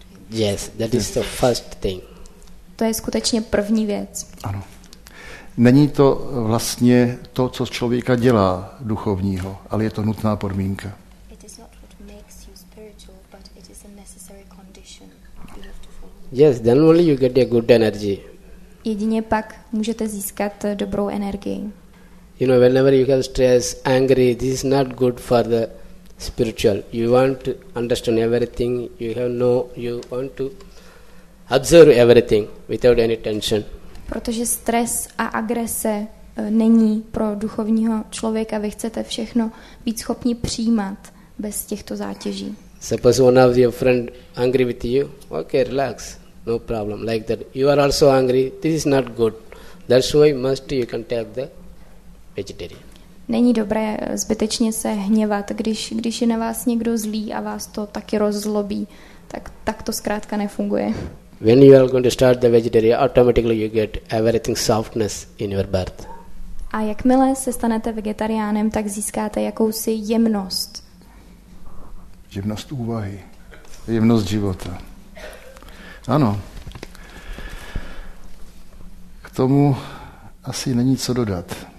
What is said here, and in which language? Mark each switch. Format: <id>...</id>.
<en>Yes, that is the first thing.</en> <cs>To je skutečně první věc. Ano. Není to vlastně to, co člověka dělá duchovního, ale je to nutná podmínka.</cs> <en>It is not what makes you spiritual, but it is a necessary condition. Yes, then only you get a good energy.</en> <cs>Jedině pak můžete získat dobrou energii.</cs> <en>You know, whenever you have stress, angry, this is not good for the spiritual. You want to understand everything, you have no, you want to observe everything without any tension.</en> <cs>Protože stres a agrese není pro duchovního člověka, vy chcete všechno být schopni přijímat bez těchto zátěží.</cs> <en>Suppose one of your friend angry with you, okay, relax, no problem, like that. You are also angry, this is not good. That's why must you can take the vegetarian.</en> <cs>Není dobré zbytečně se hněvat, když je na vás někdo zlý a vás to taky rozlobí, tak to zkrátka nefunguje.</cs> <en>When you are going to start the vegetarian, automatically you get everything softness in your birth.</en> <cs>A jakmile se stanete vegetariánem, tak získáte jakousi jemnost. Jemnost úvahy. Jemnost života. Ano. K tomu asi není co dodat.</cs>